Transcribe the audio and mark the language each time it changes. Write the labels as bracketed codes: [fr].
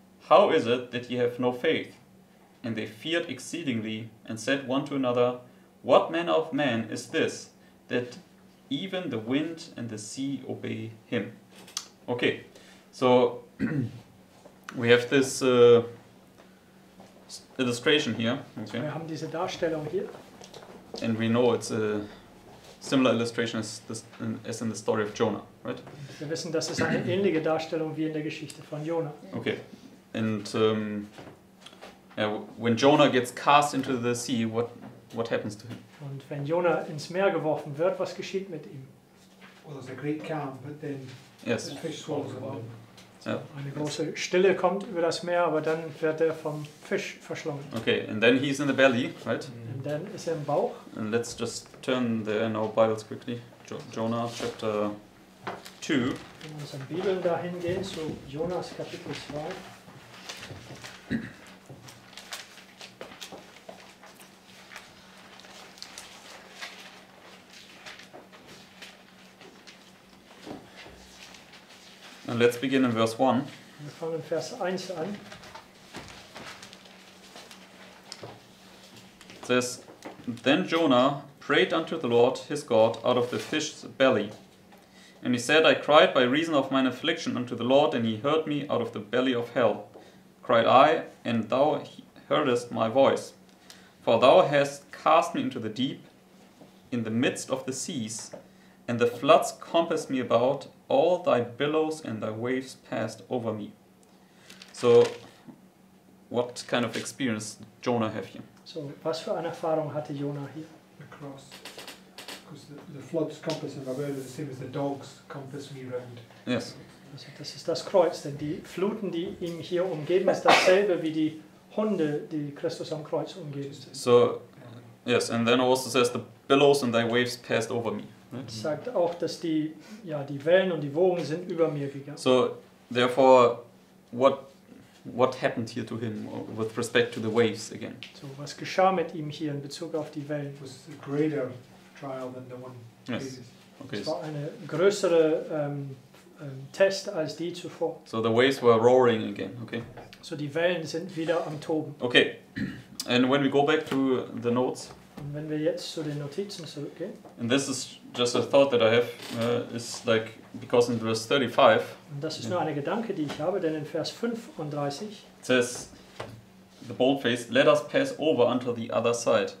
[en] How is it that ye have no faith? And they feared exceedingly, and said one to another, What manner of man is this, that even the wind and the sea obey him?" Okay, so we have this illustration here. [de] Okay. Wir haben diese Darstellung hier. [en] And we know it's a similar illustration as in the story of Jonah, right? [de] Wir wissen, dass es eine ähnliche Darstellung wie in der Geschichte von Jonah. [en] Okay, and when Jonah gets cast into the sea, what happens to him? [de] Und wenn Jonah ins Meer geworfen wird, was geschieht mit ihm? [en] Well, there's a great calm, but then yes, the fish swallows him. So yeah. [de] Eine große Stille kommt über das Meer, aber dann wird er vom Fisch verschlungen. [en] Okay, and then he's in the belly, right? And then [de] ist er im Bauch. [en] And let's just turn there in our Bibles quickly. Jonah chapter 2. [de] Wenn wir uns in Bibeln dahin gehen, zu Jonas Kapitel 2. [en] And let's begin in verse 1. [de] Wir fangen in Vers 1 an. [en] It says, "Then Jonah prayed unto the Lord his God out of the fish's belly. And he said, I cried by reason of mine affliction unto the Lord, and he heard me out of the belly of hell. Cried I, and thou heardest my voice. For thou hast cast me into the deep, in the midst of the seas, and the floods compassed me about, all thy billows and thy waves passed over me." So, what kind of experience did Jonah have here? [de] So, was für eine Erfahrung hatte Jonah hier? [en] The cross. Because the floods compass him around, the same as the dogs compass me around. Yes. [de] Also, das ist das Kreuz, denn die Fluten, die ihn hier umgeben, ist dasselbe wie die Hunde, die Christus am Kreuz umgeben. [en] So, yes, and then also says, the billows and thy waves passed over me. [de] Es sagt auch, dass die, ja, die Wellen und die Wogen sind über mir gegangen. [en] So, therefore, what happened here to him with respect to the waves again? [de] So, was geschah mit ihm hier in Bezug auf die Wellen? [en] Was a greater trial than the one previous. Okay. [de] Es war eine größere Test als die zuvor. [en] So, the waves were roaring again, okay? [de] So, die Wellen sind wieder am Toben. [en] Okay, and when we go back to the notes. [de] Und wenn wir jetzt zu den Notizen zurückgehen. [en] And this is just a thought that I have. It's like because in verse 35. [de] Und das ist nur eine Gedanke, die ich habe, denn in Vers 35. [en] It says, the bold face, let us pass over unto the other side.